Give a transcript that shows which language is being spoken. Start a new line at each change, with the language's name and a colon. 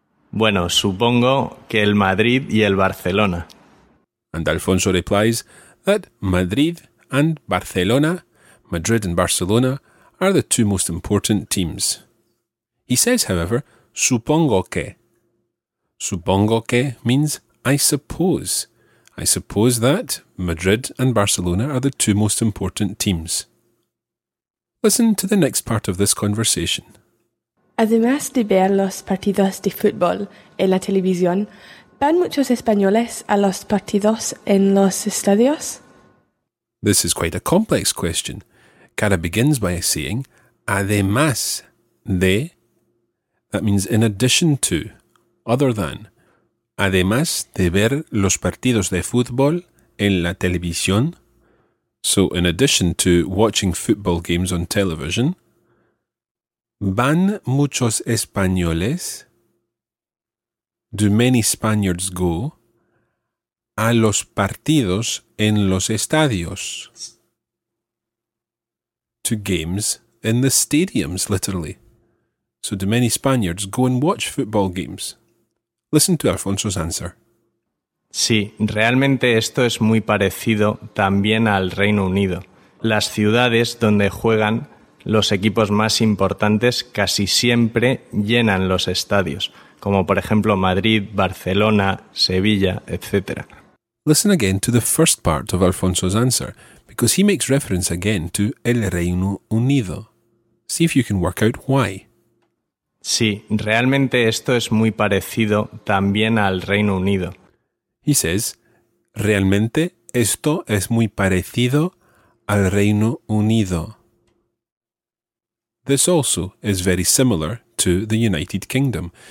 Spanish: Bueno, supongo que el Madrid y el Barcelona.
English: And Alfonso replies that Madrid and Barcelona, are the two most important teams. He says, however,
Spanish: supongo que. Supongo que
English: means I suppose. I suppose that Madrid and Barcelona are the two most important teams. Listen to the next part of this conversation.
Spanish: Además de ver los partidos de fútbol en la televisión, ¿van muchos españoles a los partidos en los estadios?
English: This is quite a complex question. Cara begins by saying,
Spanish: además de,
English: that means in addition to, other than,
Spanish: además de ver los partidos de fútbol en la televisión,
English: so in addition to watching football games on television,
Spanish: ¿van muchos españoles,
English: do many Spaniards go,
Spanish: a los partidos en los estadios?
English: To games in the stadiums, literally. So do many Spaniards go and watch football games? Listen to Alfonso's answer.
Spanish: Sí, realmente esto es muy parecido también al Reino Unido. Las ciudades donde juegan los equipos más importantes casi siempre llenan los estadios, como por ejemplo Madrid, Barcelona, Sevilla, etc.
English: Listen again to the first part of Alfonso's answer, because he makes reference again to el Reino Unido. See if you can work out why.
Spanish: Sí, realmente esto es muy parecido también al Reino Unido.
English: He says,
Spanish: realmente esto es muy parecido al Reino Unido.
English: This also is very similar to the United Kingdom.